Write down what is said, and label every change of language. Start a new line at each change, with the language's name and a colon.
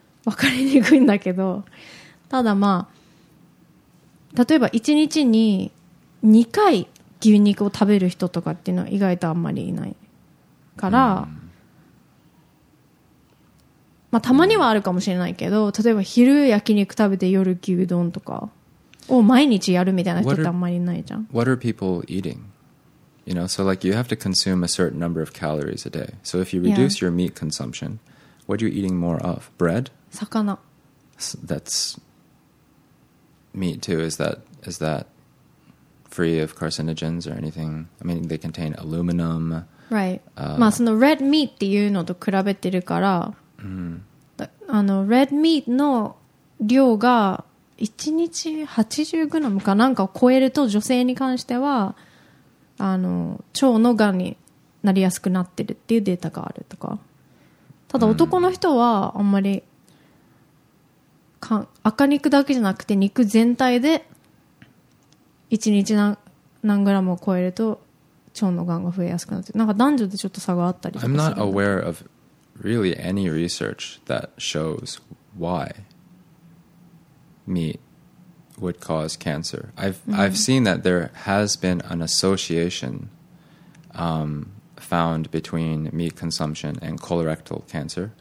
Japanese: 分かりにくいんだけど、ただまあ例えば1日に2回牛肉を食べる人とかっていうのは意外とあんまりいないから、まあたまにはあるかもしれないけど、例えば昼焼肉食べて夜牛丼とかを毎日やるみたいな人ってあんまりいないじゃん。
English: What are people eating? You know, so like you have to consume a certain number of calories a day. So if you reduce、yeah. your meat consumption, what are you eating more of? Bread?
Japanese: 魚。
English: That's meat too. Is that free of carcinogens or anything? I mean, they contain aluminum. Right.
Japanese: まあその red meat っていうのと比べてるから、 mm-hmm. あの red meat の量が1日 80g かなんかを超えると女性に関してはあの腸のがんになりやすくなってるっていうデータがあるとか、ただ男の人はあんまりか赤肉だけじゃなくて肉全体で1日 何グラムを超えると腸のがんが増えやすくなってる、なんか男女でちょっと差があったりとか。
English: I'm not aware of really any research that shows whymeat would cause cancer. I've seen that there has been an association found between meat consumption and colorectal cancer、